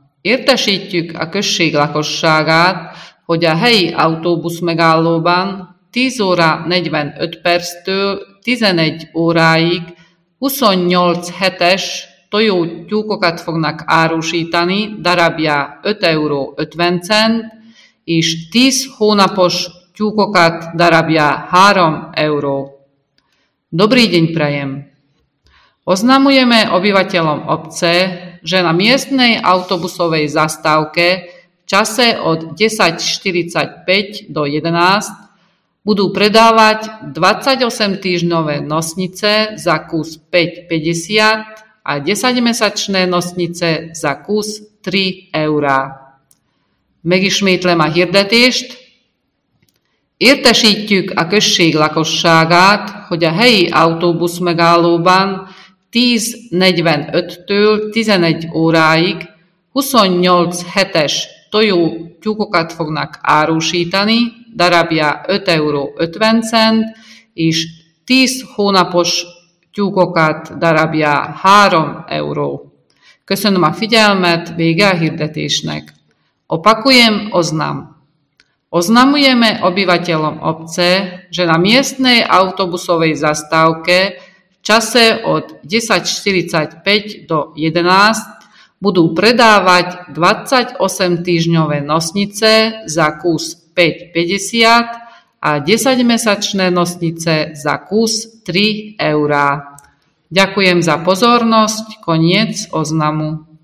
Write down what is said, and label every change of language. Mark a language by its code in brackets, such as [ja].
[hu] Értesítjük a község lakosságát, hogy a helyi autóbusz megállóban 10 óra 45 perctől 11 óráig 28 hetes tojó tyúkokat fognak árusítani, darabja 5 euró 50 cent, és 10 hónapos tyúkokat darabja 3 euró. [sk] Dobrý deň prajem! Oznamujeme obyvateľom obce, že na miestnej autobusovej zastávke v čase od 10.45 do 11 budú predávať 28 týždňové nosnice za kus 5,50 a 10-mesačné nosnice za kus 3 eurá. [hu] Megismétlem a hirdetést. Értesítjük a község lakosságát, hogy a helyi autóbusz megállóban 10.45-től 11 óráig 28 hetes tojó tyúkokat fognak árusítani, darabja 5 euró 50 cent, és 10 hónapos tyúkokat darabja 3 euró. Köszönöm a figyelmet, vége a hirdetésnek. [sk] Opakujem oznam. Oznamujeme obyvateľom obce, že na miestnej autobusovej zastávke v čase od 10.45 do 11 budú predávať 28 týždňové nosnice za kus 5,50 a 10-mesačné nosnice za kus 3 eurá. Ďakujem za pozornosť. Koniec oznamu.